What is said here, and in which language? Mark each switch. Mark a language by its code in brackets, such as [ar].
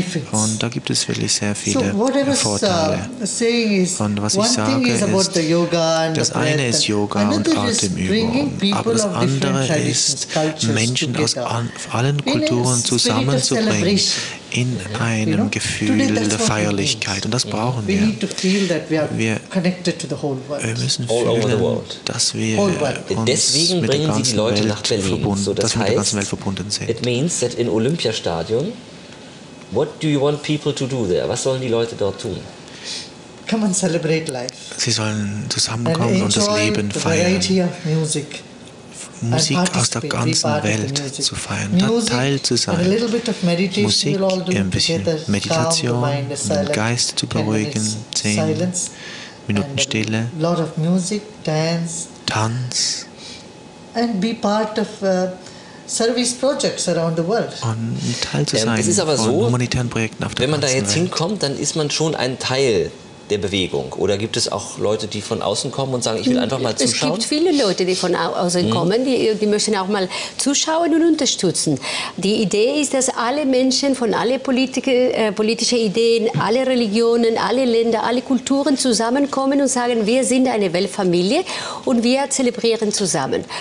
[de] Und da gibt es wirklich sehr viele Vorteile. Und was ich sage ist, das eine ist Yoga und Atemübung, aber das andere ist, Menschen aus allen Kulturen zusammenzubringen in einem Gefühl der Feierlichkeit. Und das brauchen wir. Wir müssen fühlen, dass wir deswegen bringen sie die Leute nach Berlin, sodass wir mit der ganzen Welt verbunden sind. [en] It means that in Olympiastadion, what do you want people to do there? [de] Was sollen die Leute dort tun? [en] Come and celebrate life. [de] Sie sollen zusammenkommen und das Leben feiern. Musik aus der ganzen Welt zu feiern, da Teil zu sein. Musik, ein bisschen Meditation, den Geist zu beruhigen, 10 Minuten Stille. [en] Lot of music, dance. [de] Tanz. [en] And be part of service projects around the world. [de] Und Teil zu sein von so, humanitären Projekten auf der ganzen Welt. Wenn man da jetzt Welt. Hinkommt, dann ist man schon ein Teil der Bewegung. Oder gibt es auch Leute, die von außen kommen und sagen, ich will einfach mal zuschauen? Es gibt viele Leute, die von außen kommen, die möchten auch mal zuschauen und unterstützen. Die Idee ist, dass alle Menschen von alle politische Ideen, alle Religionen, alle Länder, alle Kulturen zusammenkommen und sagen, wir sind eine Weltfamilie und wir zelebrieren zusammen.